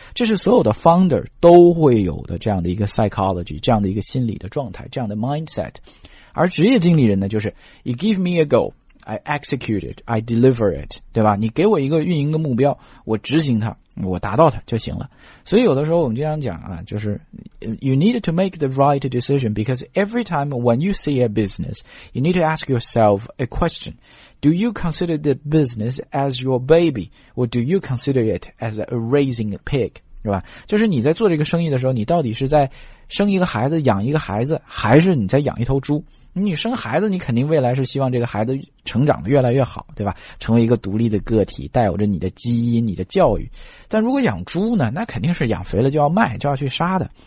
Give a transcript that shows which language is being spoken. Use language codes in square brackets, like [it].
[zh] 这是所有的 founder 都会有的这样的一个 psychology， 这样的一个心理的状态，这样的 mindset。而职业经理人呢，就是 [en] you give me a go， I execute it, I deliver it, [zh] 对吧？你给我一个运营的目标，我执行它，我达到它就行了。所以有的时候我们经常讲啊，就是 [en] you need to make the right decision because every time when you see a business, you need to ask yourself a question. Do you consider the business as your baby or do you consider it as a raising pig? [zh] 是吧，就是你在做这个生意的时候，你到底是在生一个孩子养一个孩子，还是你在养一头猪？你生孩子，你肯定未来是希望这个孩子成长得越来越好，对吧？成为一个独立的个体，带有着你的基因，你的教育。但如果养猪呢，那肯定是养肥了就要卖，就要去杀的。